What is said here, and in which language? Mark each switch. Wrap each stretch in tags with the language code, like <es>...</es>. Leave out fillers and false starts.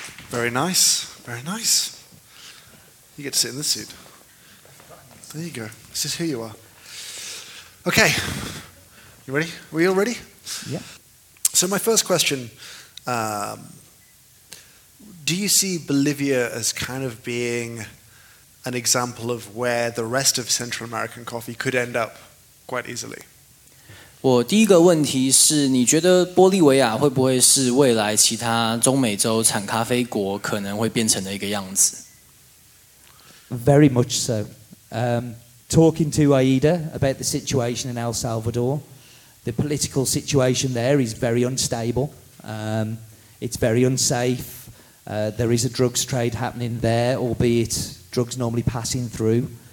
<en>Very nice, very nice. You get to sit in this seat. There you go. This is who you are. Okay. You ready? Are we all ready? Yeah. So my first question, do you see Bolivia as kind of being an example of where the rest of Central American coffee could end up quite easily?</en> <zh>我第一个问题是，你觉得玻利维亚会不会是未来其他中美洲产咖啡国可能会变成的一个样子？</zh> <en>Very much so. Talking to Aida about the situation in El Salvador, the political situation there is very unstable. It's very unsafe. There is a drugs trade happening there, albeit drugs normally passing through.</en>